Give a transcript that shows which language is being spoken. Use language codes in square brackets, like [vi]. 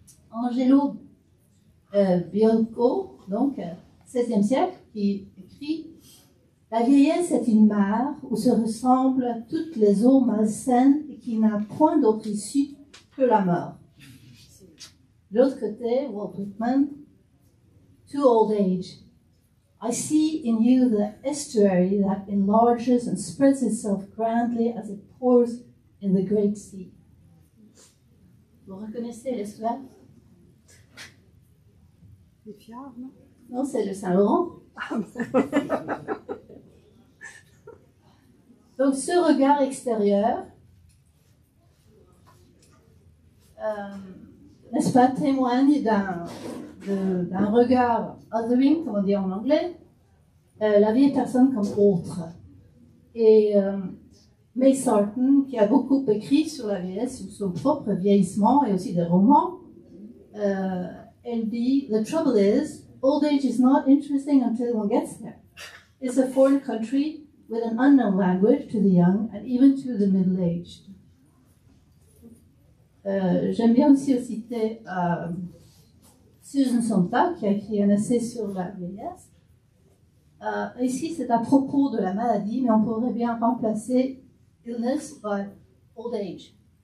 [fr] Angelo Bianco, donc 16e siècle, qui écrit « La vieillesse est une mare où se ressemblent toutes les eaux malsaines et qui n'a point d'autre issue que la mort. » De l'autre côté, Walt Whitman, « [en] To old age ». I see in you the estuary that enlarges and spreads itself grandly as it pours in the great sea. [fr] Vous reconnaissez l'estuaire? Les fjords, non? Non, c'est le Saint-Laurent. Donc ce regard extérieur, n'est-ce pas, témoigne d'un regard othering, comme on dit en anglais, la vieille personne comme autre. Et May Sarton, qui a beaucoup écrit sur la vieillesse, sur son propre vieillissement et aussi des romans, elle dit « [en] The trouble is, old age is not interesting until one gets there. It's a foreign country with an unknown language to the young and even to the middle-aged. [fr] » J'aime bien aussi citer Susan Sontag, qui a écrit un essai sur la vieillesse. Ici, c'est à propos de la maladie, mais on pourrait bien remplacer illness [en] by old age.